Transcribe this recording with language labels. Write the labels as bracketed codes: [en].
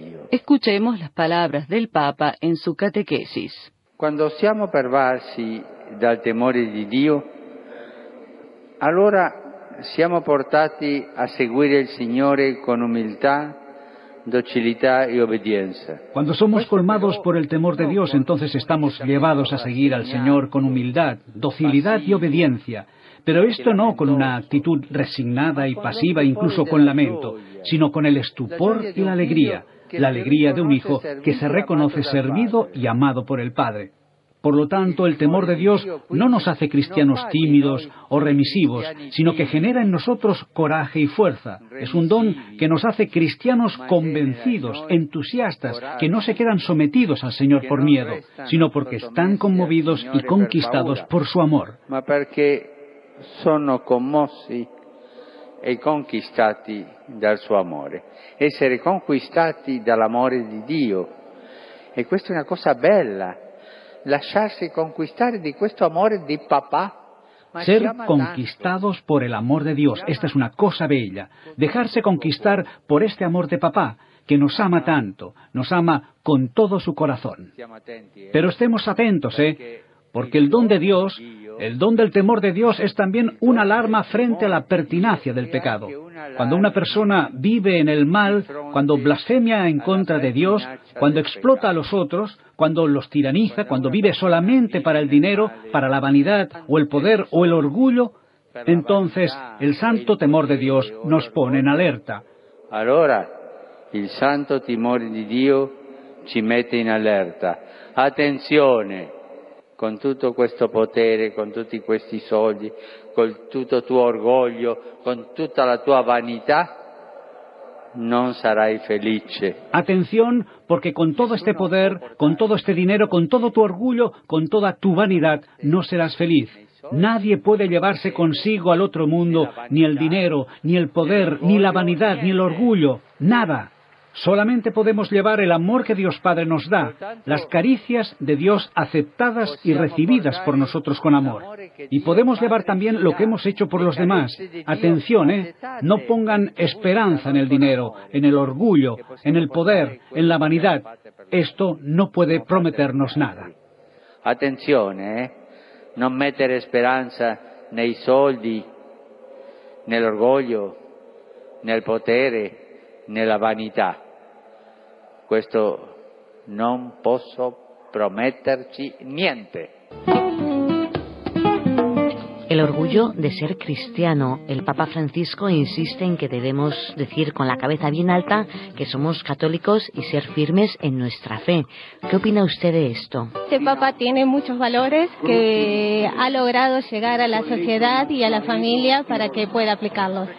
[es] Escuchemos las palabras del Papa en su catequesis. [it] Cuando siamo pervasi dal temore di Dio, allora siamo portati a seguire il Signore con umiltà, docilità e obbedienza. [es] Cuando somos colmados por el temor de Dios, entonces estamos llevados a seguir al Señor con humildad, docilidad y obediencia. Pero esto no con una actitud resignada y pasiva, incluso con lamento, sino con el estupor y la alegría de un hijo que se reconoce servido y amado por el Padre. Por lo tanto, el temor de Dios no nos hace cristianos tímidos o remisivos, sino que genera en nosotros coraje y fuerza. Es un don que nos hace cristianos convencidos, entusiastas, que no se quedan sometidos al Señor por miedo, sino porque están conmovidos y conquistados por su amor. [it] Ma perché sono commossi e conquistati dal suo amore. Essere conquistati dall'amore di Dio. E questa è una cosa bella. Lasciarsi conquistare di questo amore di papà. [es] Ser conquistados por el amor de Dios. Esta es una cosa bella. Dejarse conquistar por este amor de papá, que nos ama tanto, nos ama con todo su corazón. Pero estemos atentos, porque el don de Dios, el don del temor de Dios, es también una alarma frente a la pertinacia del pecado. Cuando una persona vive en el mal, cuando blasfemia en contra de Dios, cuando explota a los otros, cuando los tiraniza, cuando vive solamente para el dinero, para la vanidad o el poder o el orgullo, entonces el santo temor de Dios nos pone en alerta. [it] Allora, il santo timore di Dio ci mette in allerta. Attenzione, con tutto questo potere, con tutti questi soldi, con tutto tuo orgoglio, con tutta la tua vanità, non sarai felice. [es] Atención, porque con todo este poder, con todo este dinero, con todo tu orgullo, con toda tu vanidad, no serás feliz. Nadie puede llevarse consigo al otro mundo ni el dinero, ni el poder, ni la vanidad, ni el orgullo, nada. Solamente podemos llevar el amor que Dios Padre nos da, las caricias de Dios aceptadas y recibidas por nosotros con amor. Y podemos llevar también lo que hemos hecho por los demás. Atención, no pongan esperanza en el dinero, en el orgullo, en el poder, en la vanidad. Esto no puede prometernos nada. Atención, [it] non mettere speranza nei soldi, nell'orgoglio, nel potere, nella vanità. Questo non posso prometterci niente. [es] El orgullo de ser cristiano. El Papa Francisco insiste en que debemos decir con la cabeza bien alta que somos católicos y ser firmes en nuestra fe. ¿Qué opina usted de esto? Este Papa tiene muchos valores que ha logrado llegar a la sociedad y a la familia para que pueda aplicarlos.